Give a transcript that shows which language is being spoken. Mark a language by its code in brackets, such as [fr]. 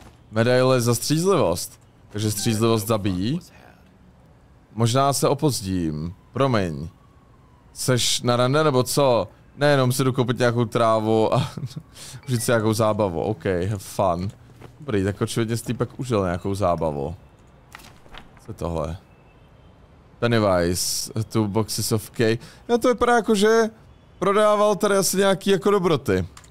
[cs] Medaile za střízlivost. Takže střízlivost zabíjí. Možná se opozdím. Promiň. Seš na rande nebo co? Ne, jenom si jdu koupit nějakou trávu a užít si nějakou zábavu. [en] OK, have fun. [cs] Dobrý, tak očividně stýpek užil nějakou zábavu. Co je tohle? [en] Pennywise, two boxes of cake. [cs] Já to vypadá jako, že prodával tady asi nějaký jako dobroty.